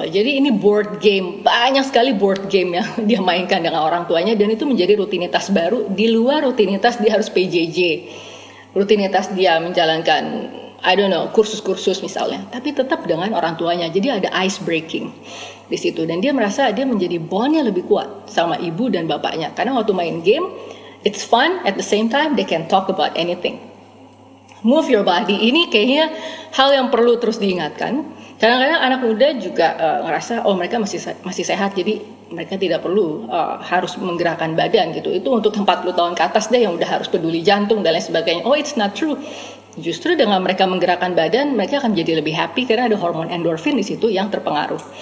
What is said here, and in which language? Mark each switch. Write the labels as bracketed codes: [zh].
[id] Jadi ini board game, banyak sekali board game yang dia mainkan dengan orang tuanya, dan itu menjadi rutinitas baru di luar rutinitas dia harus PJJ. Rutinitas dia menjalankan, [en] I don't know, [id] kursus-kursus misalnya, tapi tetap dengan orang tuanya. Jadi ada ice breaking di situ, dan dia merasa dia menjadi bondnya lebih kuat sama ibu dan bapaknya. Karena waktu main game, [en] it's fun, at the same time they can talk about anything. Move your body, [id] ini kayaknya hal yang perlu terus diingatkan. Kadang-kadang anak muda juga ngerasa, oh mereka masih sehat, jadi mereka tidak perlu harus menggerakkan badan gitu. Itu untuk 40 tahun ke atas deh yang udah harus peduli jantung dan lain sebagainya. [en] Oh, it's not true. [id] Justru dengan mereka menggerakkan badan, mereka akan jadi lebih happy karena ada hormon endorfin di situ yang terpengaruh.